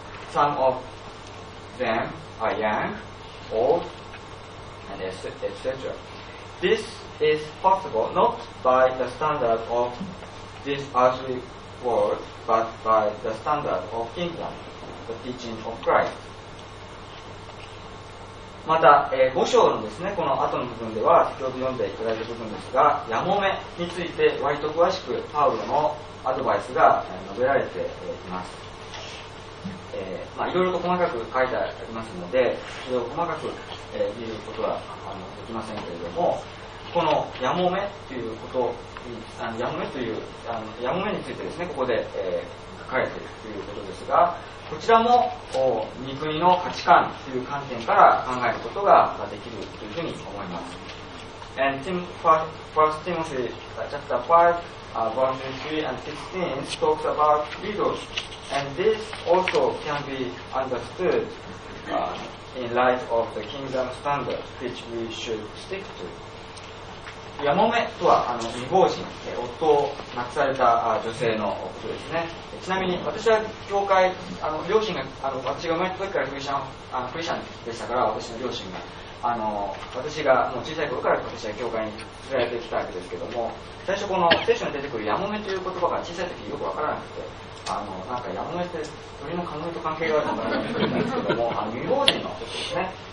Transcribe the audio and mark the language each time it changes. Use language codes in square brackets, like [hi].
[en] Some of them are young,old, and etc. This is possible not by the standard of this earthly world, but by the standard of kingdom, the teaching of Christ. [ja] また、5章のですね、この後の部分では先ほど読んでいただいた部分ですが、ヤモメについて割と詳しくパウロのアドバイスが述べられています。いろいろと細かく書いてありますので、それを細かく、見ることはできませんけれども、このヤモメということヤモメというヤモメについてですね、ここで、書かれているということですが、こちらも御国の価値観という観点から考えることができるというふうに思います。 [en] And First Timothy chapter 5verses 3 and 16 talks about widows, and this also can be understood in light of the kingdom standard which we should stick to. [ja] ヤモメとは未亡人、夫を亡くされた女性のことですね。ちなみに私は教会、両親が私が生まれた時からクリスチャンでしたから、私の両親が私がもう小さい頃から私は教会に連れてきたわけですけども、最初この聖書に出てくるヤモメという言葉が小さい時よくわからなくて、なんかヤモメって鳥のカモメと関係があるのかなと思ったんですけども、未亡人の人ですね、